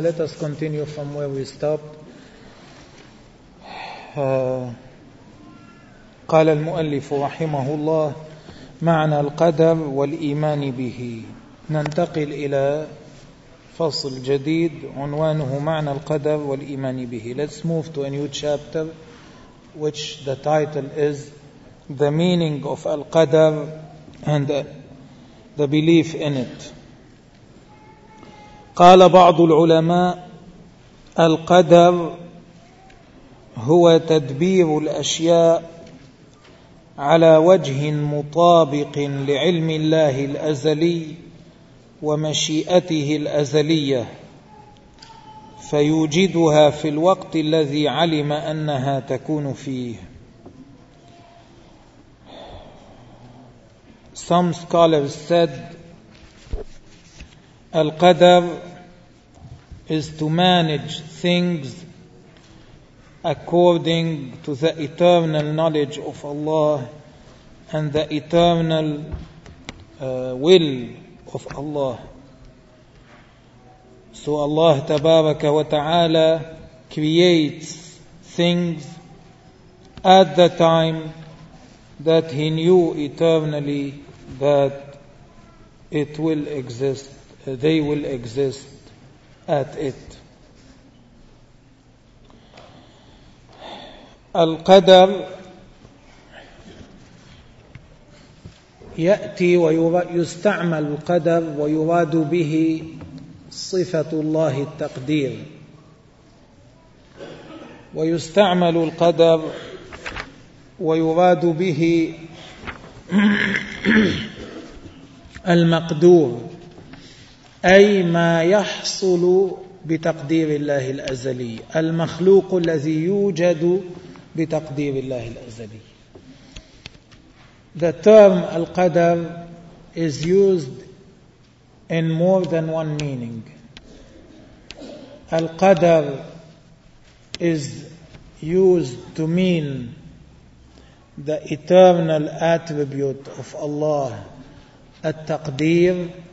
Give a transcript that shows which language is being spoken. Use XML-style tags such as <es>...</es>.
<en>Let us continue from where we stopped.</en> <ar>قال المؤلف رحمه الله: معنى القدر والإيمان به. ننتقل إلى فصل جديد عنوانه معنى القدر والإيمان به.</ar> <en>Let's move to a new chapter which the title is The Meaning of Al-Qadr and the Belief in It.</en> <ar>قال بعض العلماء: القدر هو تدبير الأشياء على وجه مطابق لعلم الله الأزلي ومشيئته الأزلية، فيوجدها في الوقت الذي علم أنها تكون فيه.</ar> <en>Some scholars said القدر is to manage things according to the eternal knowledge of Allah and the eternal will of Allah. So Allah tabaraka wa ta'ala creates things at the time that He knew eternally that it will exist, they will exist at it.</en> <ar>القدر يأتي ويستعمل القدر ويراد به صفة الله التقدير، ويستعمل القدر ويراد به المقدور، أي ما يحصل بتقدير الله الأزلي، المخلوق الذي يوجد بتقدير الله الأزلي.</ar> <en>The term القدر is used in more than one meaning. القدر is used to mean the eternal attribute of Allah, التقدير.</en>